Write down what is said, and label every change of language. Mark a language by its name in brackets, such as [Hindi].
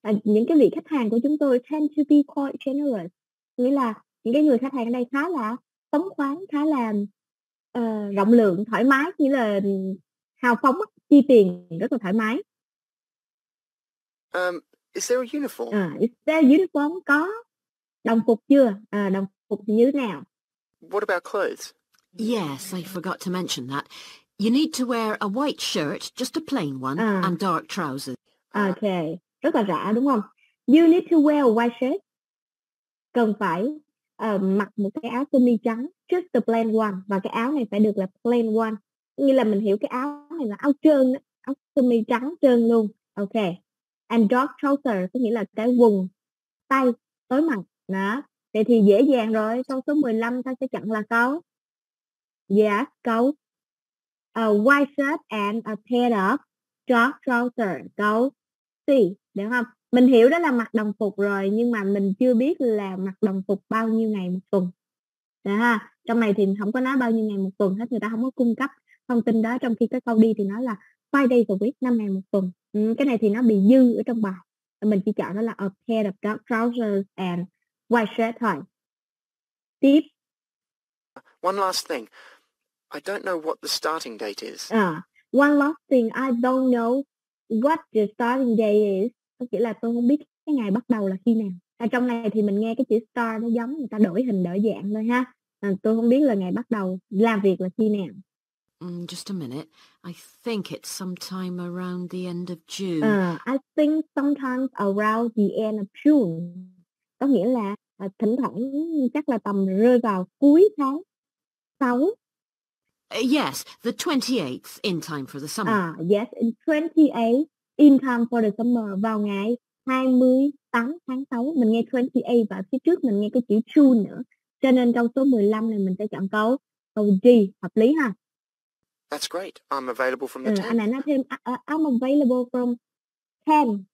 [Vietnamese] Những cái vị khách hàng của chúng tôi [English] tend to be quite generous. [Vietnamese] Nghĩa là những cái người khách hàng ở đây khá là phóng khoáng, khá là rộng lượng, thoải mái, nghĩa là hào phóng, chi tiền rất là thoải mái. [English] Is there a uniform? Is there a uniform? [Vietnamese] Có đồng phục chưa? Đồng phục thì như thế nào? [English] What about clothes? Yes, I forgot to mention that. You need to wear a white shirt, just a plain one, and dark trousers. Okay, [Vietnamese] rất là rõ đúng không? [English] You need to wear a white shirt. [Vietnamese] Cần phải mặc một cái áo sơ mi trắng, [English] just the plain one. [Vietnamese] Và cái áo này phải được là plain one. Như là mình hiểu cái áo này là áo trơn, áo sơ mi trắng trơn luôn. Okay. [English] And dark trousers [Vietnamese] có nghĩa là cái quần tay tối mặt. Đó. Vậy thì dễ dàng rồi. Câu số 15 ta sẽ chọn là câu. [English] Yes, câu a white shirt and a pair of dark trousers. [Vietnamese] Câu C, được không? Mình hiểu đó là mặc đồng phục rồi, nhưng mà mình chưa biết là mặc đồng phục bao nhiêu ngày một tuần. Được ha? Trong này thì không có nói bao nhiêu ngày một tuần hết, người ta không có cung cấp thông tin đó. Trong khi cái câu đi thì nói là [English] 5 days a week, [Vietnamese] 5 ngày một tuần. Cái này thì nó bị dư ở trong bài. Mình chỉ chọn đó là [English] a pair of dark trousers and white shirt [Vietnamese] thôi. Tiếp. [English] One last thing. I don't know what the starting date is. One last thing. I don't know what the starting day is. [Vietnamese] Có nghĩa là tôi không biết cái ngày bắt đầu là khi nào. Trong này thì mình nghe cái chữ start nó giống người ta đổi hình đổi dạng thôi ha. Tôi không biết là ngày bắt đầu làm việc là khi nào. [English] Just a minute. I think it's sometime around the end of June. I think sometimes around the end of June. [Vietnamese] Có nghĩa là thỉnh thoảng chắc là tầm rơi vào cuối tháng 6. [English] Yes, the 28th in time for the summer. Yes, in 28th in time for the summer, [Vietnamese] vào ngày 28 tháng 6. Mình nghe 28 và phía trước mình nghe cái chữ June nữa. Cho nên câu số 15 này mình sẽ chọn câu D, hợp lý ha. [English] That's great. I'm available from the 10th. [Vietnamese] Anh này nói thêm, [English] I'm available from 10.